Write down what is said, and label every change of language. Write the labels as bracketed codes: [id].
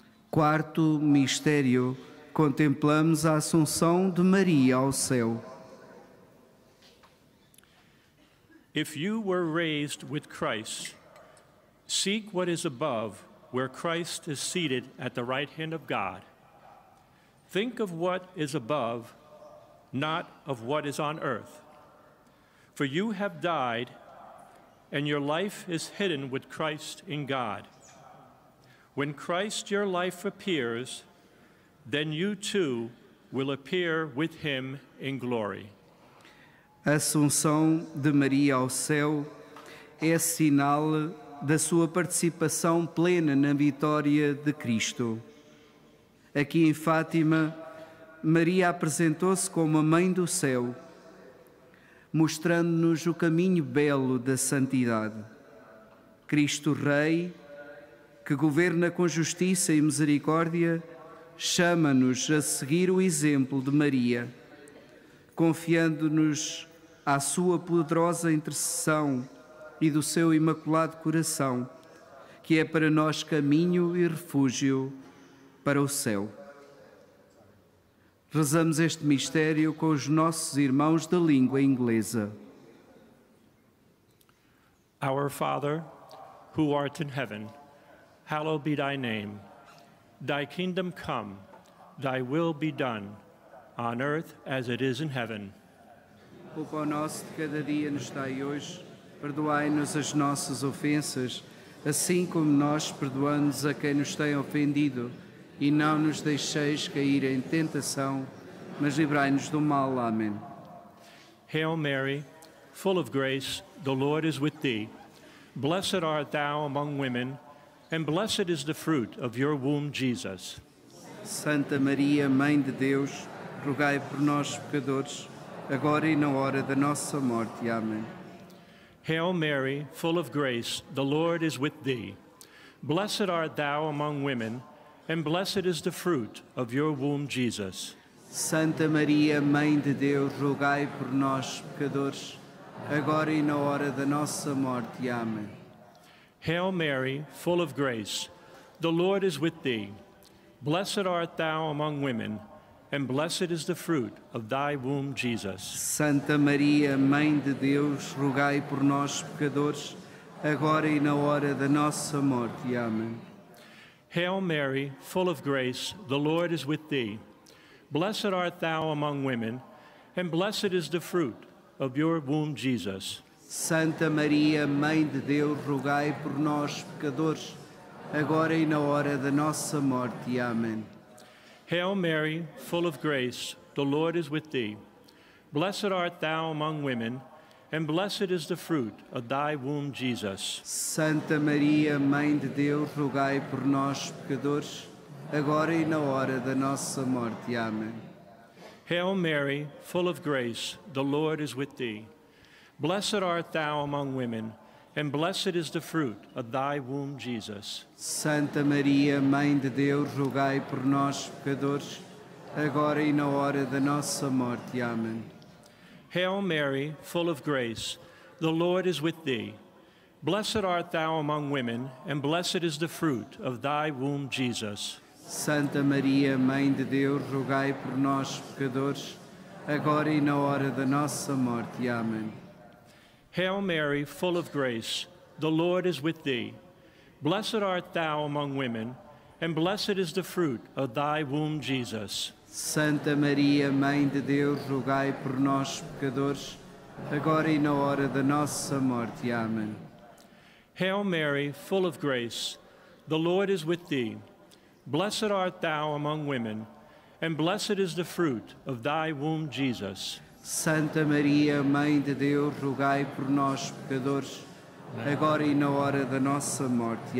[pt] Quarto mistério, contemplamos a Assunção de Maria ao céu. [en] If you were raised with Christ, seek what is above, where Christ is seated at the right hand of God. Think of what is above, not of what is on earth. For you have died, and your life is hidden with Christ in God. When Christ your life appears, then you too will appear with him in glory. [pt] Assunção de Maria ao céu é sinal da sua participação plena na vitória de Cristo. Aqui em Fátima, Maria apresentou-se como a Mãe do Céu, mostrando-nos o caminho belo da santidade. Cristo Rei, que governa com justiça e misericórdia, chama-nos a seguir o exemplo de Maria, confiando-nos à sua poderosa intercessão e do seu imaculado coração, que é para nós caminho e refúgio para o céu. Rezamos este mistério com os nossos irmãos da língua inglesa. [en] Our Father, who art in heaven, hallowed be thy name. Thy kingdom come, thy will be done, on earth as it is in heaven. [pt] O pão nosso de cada dia nos dai hoje, perdoai-nos as nossas ofensas, assim como nós perdoamos a quem nos tem ofendido, e não nos deixeis cair em tentação, mas livrai-nos do mal. Amém. [en] Hail Mary, full of grace, the Lord is with thee. Blessed art thou among women, and blessed is the fruit of your womb, Jesus. [pt] Santa Maria, Mãe de Deus, rogai por nós, pecadores, agora e na hora da nossa morte. Amém. [en] Hail Mary, full of grace, the Lord is with thee. Blessed art thou among women, and blessed is the fruit of your womb, Jesus. [pt] Santa Maria, Mãe de Deus, rogai por nós, pecadores, agora e na hora da nossa morte. Amém. [en] Hail Mary, full of grace, the Lord is with thee. Blessed art thou among women, and blessed is the fruit of thy womb, Jesus. [pt] Santa Maria, Mãe de Deus, rogai por nós, pecadores, agora e na hora da nossa morte. Amém. [en] Hail Mary, full of grace, the Lord is with thee. Blessed art thou among women, and blessed is the fruit of your womb, Jesus. [pt] Santa Maria, Mãe de Deus, rogai por nós, pecadores, agora e na hora da nossa morte. Amém. [en] Hail Mary, full of grace, the Lord is with thee. Blessed art thou among women, and blessed is the fruit of thy womb, Jesus. [pt] Santa Maria, Mãe de Deus, rogai por nós, pecadores, agora e na hora da nossa morte. Amém. [en] Hail Mary, full of grace, the Lord is with thee. Blessed art thou among women, and blessed is the fruit of thy womb, Jesus. [pt] Santa Maria, Mãe de Deus, rogai por nós, pecadores, agora e na hora da nossa morte. Amém. [en] Hail Mary, full of grace, the Lord is with thee. Blessed art thou among women, and blessed is the fruit of thy womb, Jesus. [pt] Santa Maria, Mãe de Deus, rogai por nós, pecadores, agora e na hora da nossa morte. Amém. [en] Hail Mary, full of grace, the Lord is with thee. Blessed art thou among women, and blessed is the fruit of thy womb, Jesus. [pt] Santa Maria, Mãe de Deus, rogai por nós, pecadores, agora e na hora da nossa morte. Amém. [en] Hail Mary, full of grace, the Lord is with thee. Blessed art thou among women, and blessed is the fruit of thy womb, Jesus. [pt] Santa Maria, Mãe de Deus, rogai por nós, pecadores, agora e na hora da nossa morte.